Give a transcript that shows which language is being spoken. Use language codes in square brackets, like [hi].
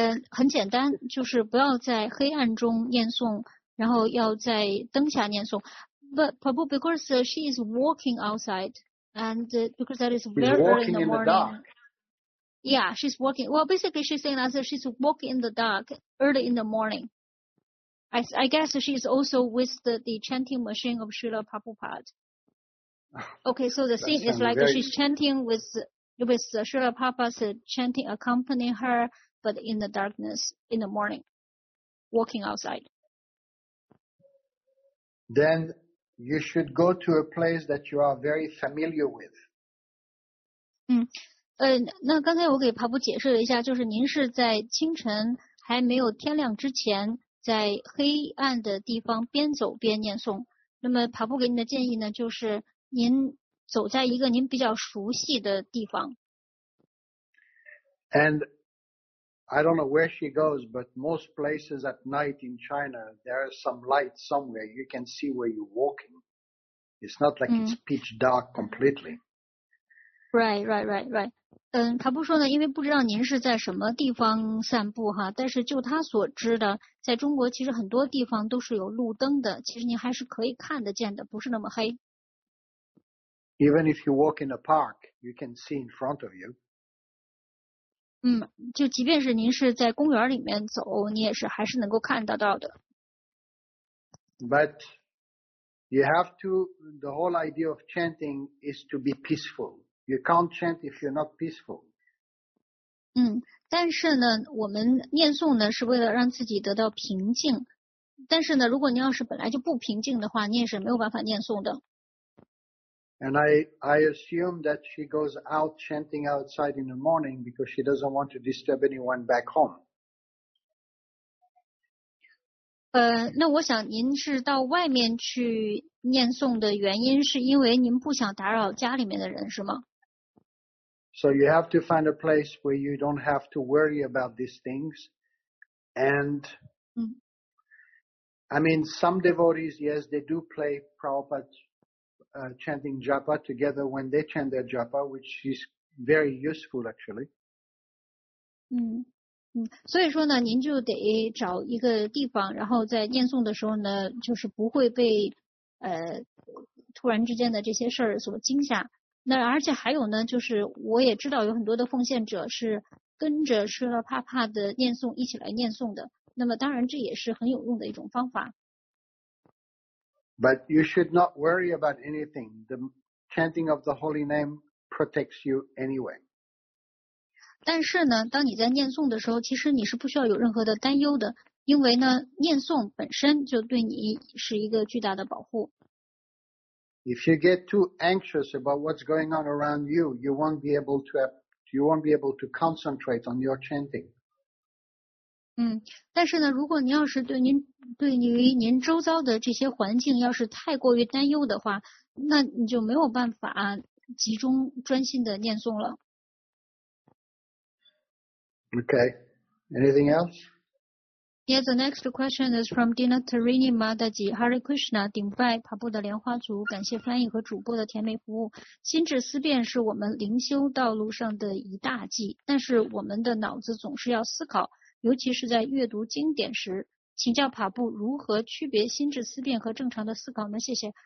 [zh] 很简单，就是不要在黑暗中念诵，然后要在灯下念诵。 [en] But Prabhu, because she is walking outside and because that is very early in the morning. In the dark. Yeah, she's walking. Well, basically, she's saying that she's walking in the dark early in the morning. I guess she's also with the chanting machine of Srila Prabhupada. Okay, so the scene is like she's chanting with Srila Prabhupada chanting accompanying her, but in the darkness, in the morning, walking outside. Then you should go to a place that you are very familiar with. [zh] 那刚才我给帕布解释了一下，就是您是在清晨还没有天亮之前在黑暗的地方边走边念诵。那么帕布给您的建议呢，就是您走在一个您比较熟悉的地方。 [en] And I don't know where she goes, but most places at night in China, there is some light somewhere. You can see where you're walking. It's not like it's pitch dark completely. Right. [zh] 他不说呢，因为不知道您是在什么地方散步哈。但是就他所知的，在中国其实很多地方都是有路灯的，其实您还是可以看得见的，不是那么黑。 [en] Even if you walk in a park, you can see in front of you. [zh] 就即便是您是在公园里面走，你也是还是能够看得到的。 [en] But you have to, the whole idea of chanting is to be peaceful. You can't chant if you're not peaceful. [zh] 但是呢，我们念诵呢是为了让自己得到平静。但是呢，如果你要是本来就不平静的话，你也是没有办法念诵的。 [en] And I assume that she goes out chanting outside in the morning because she doesn't want to disturb anyone back home. [zh] 那我想您是到外面去念诵的原因是因为您不想打扰家里面的人，是吗？ [en] So you have to find a place where you don't have to worry about these things. And I mean, some devotees, yes, they do play Prabhupada's chanting japa together when they chant their japa, which is very useful actually. [zh] 所以说呢，您就得找一个地方，然后在念诵的时候呢，就是不会被突然之间的这些事儿所惊吓。那而且还有呢，就是我也知道有很多的奉献者是跟着吃了怕怕的念诵一起来念诵的。那么当然这也是很有用的一种方法。 [en] But you should not worry about anything. The chanting of the holy name protects you anyway. [zh] 但是呢，当你在念诵的时候，其实你是不需要有任何的担忧的，因为呢，念诵本身就对你是一个巨大的保护。 [en] If you get too anxious about what's going on around you, you won't be able to concentrate on your chanting. [zh] 但是呢，如果您要是对于您周遭的这些环境要是太过于担忧的话，那你就没有办法集中专心的念诵了。 [en] Okay, anything else? Yeah, the next question is from Dina Tarini Madaji. [zh] Hare Krishna, 顶拜爬布的莲花族，感谢翻译和主播的甜美服务。心智思辨是我们灵修道路上的一大忌，但是我们的脑子总是要思考。尤其是在阅读经典时，请教帕布如何区别心智思辨和正常的思考呢？谢谢。